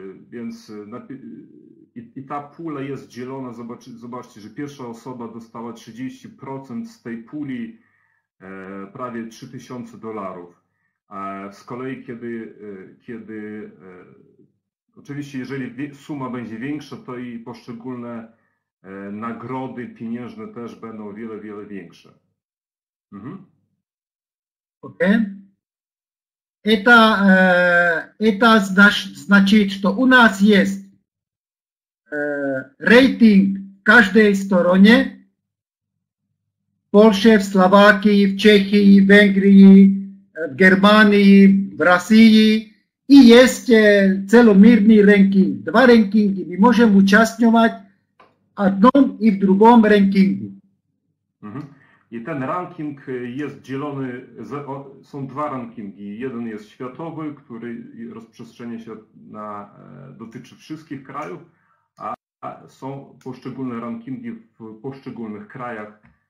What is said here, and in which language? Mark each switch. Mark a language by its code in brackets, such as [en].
[pl] Więc i ta pula jest dzielona, zobaczcie, że pierwsza osoba dostała 30% z tej puli, prawie $3,000. A z kolei kiedy oczywiście jeżeli suma będzie większa, to i poszczególne nagrody pieniężne też będą o wiele, wiele większe. Ok. [ru] Это значит, что у нас есть рейтинг в каждой стороне, в Польше, в Словакии, в Чехии, в Венгрии, в Германии, в России, и есть целомирный рейтинг, два рейтинга. Мы можем участвовать в одном и в другом рейтинге. [pl] I ten ranking jest dzielony, są dwa rankingi. Jeden jest światowy, który rozprzestrzenia się dotyczy wszystkich krajów, a są poszczególne rankingi w poszczególnych krajach.